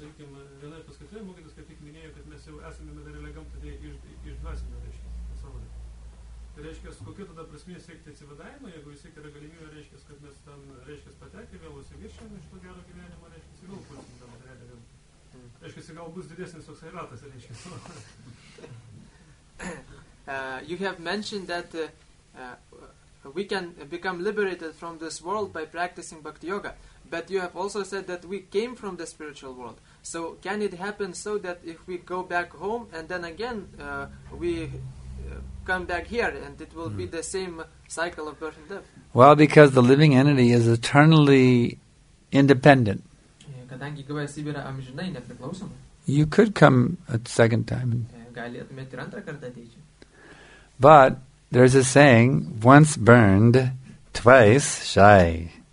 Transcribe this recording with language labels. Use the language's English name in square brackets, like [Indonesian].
[Lithuanian] sakykime, viena iš paskutinių mokytis, kaip tik minėjo, kad mes jau esame materialiai gamtai iš dvasinio, reiškia, pasaulyje. Tai reiškia, kokia tada prasmė siekti atsivadavimą, jeigu vis tiek yra galimybė, reiškia, kad mes ten, reiškia, patekti, vėl užsiviršėm iš to gero gyvenimo, reiškia, ir vėl pulsim tą materialią gamtą. Reiškia, gal bus didesnis toks ratas, reiškia. [English] You have mentioned that we can become liberated from this world by practicing bhakti yoga, but you have also said that we came from the spiritual world. So can it happen so that if we go back home and then again we come back here and it will be the same cycle of birth and death? Well, because the living entity is eternally independent. [Lithuanian] Kadangi gyvas yra amžinai nepriklausomas. [English] You could come a second time. [Lithuanian] Galėtumėt ir antrą kartą ateiti. [English] But there's a saying, once burned, twice shy.